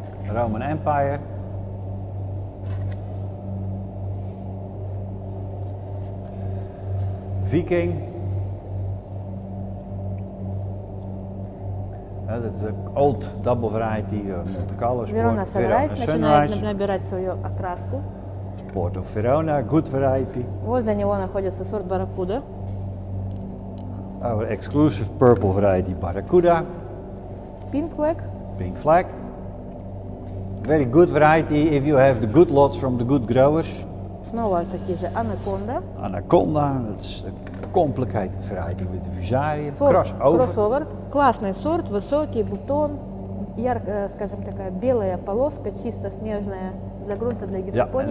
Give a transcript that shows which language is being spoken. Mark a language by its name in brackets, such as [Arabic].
[English] Roman Empire. Viking. That's an old double variety of Monte Carlo Sport. Verona Sunrise. [Russian] Начинает набирать свою окраску. [English] Sport of Verona, good variety. [Russian] Возле него находится сорт Barracuda. [English] Our exclusive purple variety Barracuda. Pinkleg. Pink flag. Very good variety if you have the good lots from the good growers. [Russian] Снова такие Anaconda. [English] Anaconda, that's a complicated variety with the Fusarium. Crossover. [Russian] Классный сорт, высокий бутон, яркая, скажем, такая белая полоска, чисто снежная для грунта, для гидропоники.